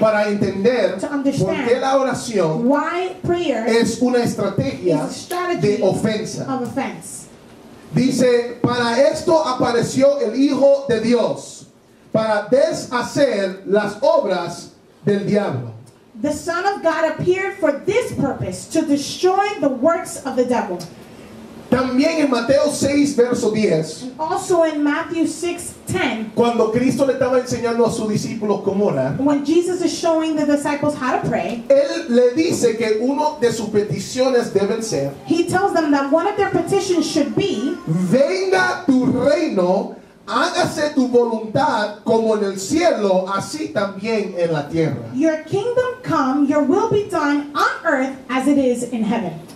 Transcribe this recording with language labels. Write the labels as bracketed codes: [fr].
[es] Para entender [en] to understand [es] por qué la oración, [en] why prayer [es] es una estrategia, [en] is a strategy [es] de ofensa. [en] Of offense. [es] Dice, para esto apareció el Hijo de Dios, para deshacer las obras del diablo. [en] The Son of God appeared for this purpose, to destroy the works of the devil. [es] También en Mateo 6, verso 10. [en] And also in Matthew 6, 10. [es] Cuando Cristo le estaba enseñando a sus discípulos cómo orar. [en] When Jesus is showing the disciples how to pray. [es] Él le dice que uno de sus peticiones deben ser. [en] He tells them that one of their petitions should be. [es] Venga tu reino. Hágase tu voluntad como en el cielo, así también en la tierra. [en] Your kingdom come, your will be done on earth as it is in heaven.